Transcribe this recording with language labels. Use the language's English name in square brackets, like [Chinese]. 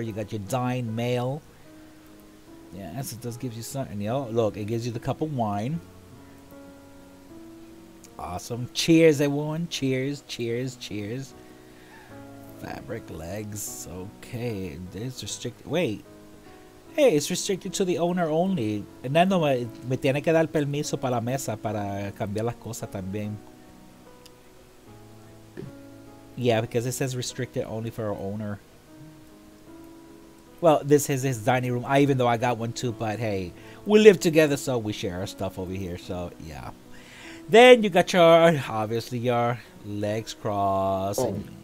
[English] You got your dying male. Yes, it does give you something. Yo, look, it gives you the cup of wine. Awesome. Cheers, everyone. Cheers, cheers, cheers. Fabric legs. Okay, this restricted. Wait. Hey, it's restricted to the owner only. [Spanish] Nando, me tiene que dar permiso para la mesa para cambiar las cosas también. [English] Yeah, because it says restricted only for our owner. Well, this is his dining room. Even though I got one too, but hey, we live together, so we share our stuff over here. So, yeah. Then you got your, obviously, your legs crossed. Oh.